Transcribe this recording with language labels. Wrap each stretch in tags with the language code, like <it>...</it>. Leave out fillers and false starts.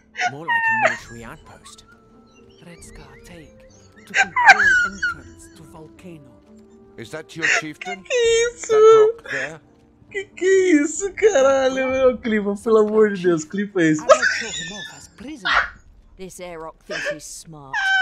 <en>More like a military outpost. Red Scar take to control entrance to volcano. Is that your chieftain?</en> <pt>Que isso? Que isso, caralho, meu clipe, pelo amor de Deus, clipa isso.</pt> <en>This air rock thinks he's smart.</en>